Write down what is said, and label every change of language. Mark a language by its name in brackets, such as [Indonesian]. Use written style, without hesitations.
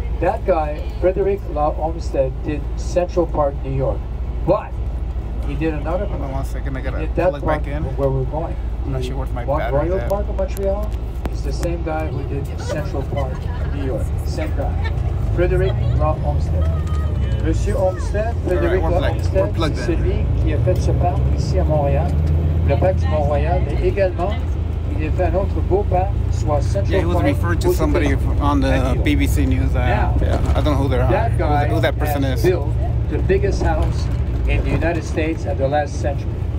[English] That guy, Frederick Law Olmsted, did Central Park, New York. But he did another part. Hold on one second, I gotta plug back in. Where we're going. I'm not sure where my battery is. Royal Park of Montreal is the same guy who did Central Park, New York. Same guy. Frederick Law Olmsted. [French] Monsieur Olmsted, Frederick Law Olmsted, c'est celui qui a fait ce parc ici à Montréal, le parc du Mont-Royal, mais également. [English] Yeah, he was referred to somebody on the BBC News. I don't know who that person is. Built the biggest house in the United States at the last century.